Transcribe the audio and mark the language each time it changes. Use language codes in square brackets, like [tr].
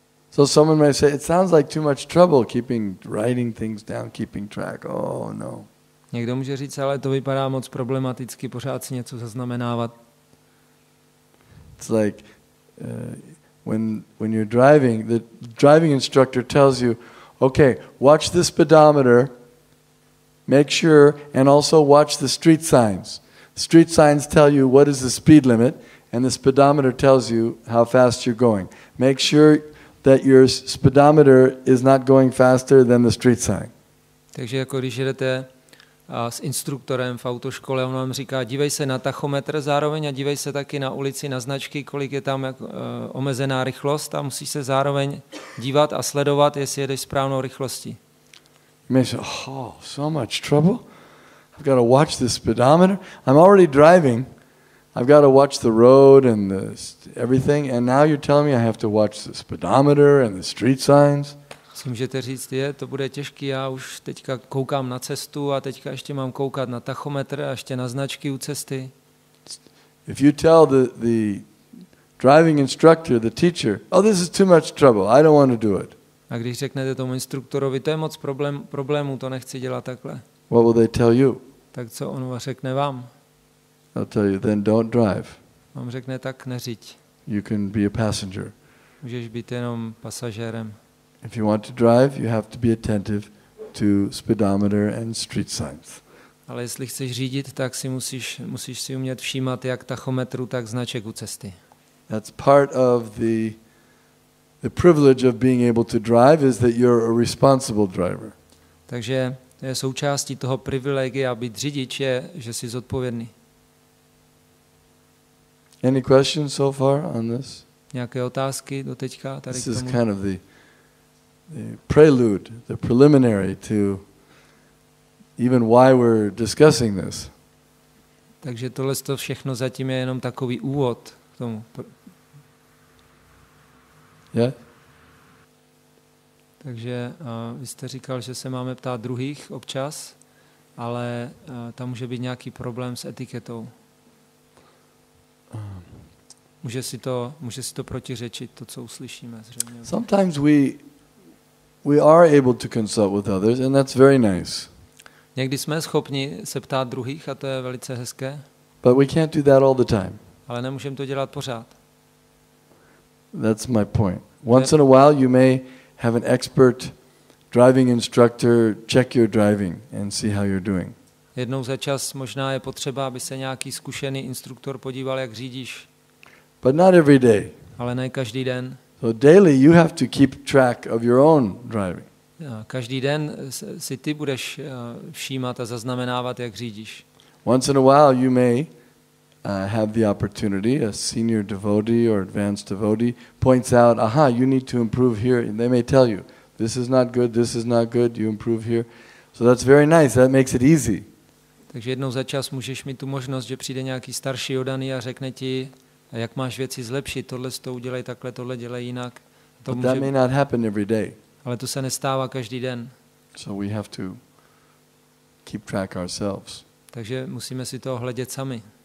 [en] So someone may say, it sounds like too much trouble keeping writing things down, keeping track. Oh no. [cs] Někdo může říct, ale to vypadá moc problematicky, pořád si něco zaznamenávat. [en] It's like when you're driving, the driving instructor tells you, okay, watch the speedometer, make sure, and also watch the street signs. Street signs tell you what is the speed limit, and the speedometer tells you how fast you're going. Make sure that your speedometer is not going faster than the street sign. [cs] Takže jako když jedete s instruktorem v autoškole, on vám říká, dívej se na tachometr zároveň a dívej se taky na ulici, na značky, kolik je tam omezená rychlost a musíš se zároveň dívat a sledovat, jestli jedeš správnou rychlostí. Myslím, [en] oh, so much trouble. I've got to watch the speedometer. I'm already driving. I've got to watch the road and the everything. And now you're telling me I have to watch the speedometer and the street signs. [cs] Si můžete říct, je, to bude těžký, já už teďka koukám na cestu a teďka ještě mám koukat na tachometr a ještě na značky u cesty. [en] If you tell the driving instructor, the teacher, oh, this is too much trouble, I don't want to do it. [cs] A když řeknete tomu instruktorovi, to je moc problémů, to nechci dělat takhle. [en] What will they tell you? [cs] Tak co on vám řekne vám? [en] They'll tell you, then don't drive. [cs] On řekne, tak neřiď. [en] You can be a passenger. [cs] Můžeš být jenom pasažérem. [en] If you want to drive, you have to be attentive to speedometer and street signs. [cs] Ale jestli chceš řídit, tak si musíš si umět všímat jak tachometru, tak značek u cesty. [en] That's part of the privilege of being able to drive is that you're a responsible driver. [cs] Takže je součástí toho privilegia být řidič je, že jsi zodpovědný. [en] Any questions so far on this? [cs] Nějaké otázky doteďka tady k tomu? [en] This is kind of the prelude, the preliminary to even why we're discussing this. [cs] Takže tohle to všechno zatím je jenom takový úvod k tomu. [en] Yeah? [cs] Takže vy jste říkal, že se máme ptát druhých občas, ale tam může být nějaký problém s etiketou. Může si to protiřečit, to, co uslyšíme zřejmě. [en] Sometimes we are able to consult with others and that's very nice. [cs] Někdy jsme schopni se ptát druhých a to je velice hezké. [en] But we can't do that all the time. [cs] Ale nemůžeme to dělat pořád. [en] That's my point. Once in a while you may have an expert driving instructor check your driving and see how you're doing. [cs] Jednou za čas možná je potřeba, aby se nějaký zkušený instruktor podíval, jak řídíš. [en] But not every day. [cs] Ale ne každý den. [en] So daily you have to keep track of your own driving. [cs] Každý den si ty budeš všímat a zaznamenávat, jak řídíš. [en] Once in a while you may have the opportunity, a senior devotee or advanced devotee points out, aha, you need to improve here, and they may tell you, this is not good, this is not good, you improve here. So that's very nice, that makes it easy. [cs] Takže jednou za čas můžeš mít tu možnost, že přijde nějaký starší odaný a řekne ti, jak máš věci zlepšit, tohle s tou udělej takhle, tohle dělej jinak. [en] But that may not happen every day. [cs] Ale to se nestává každý den. [en] So we have to keep track ourselves. [cs] Takže musíme si to hledět sami.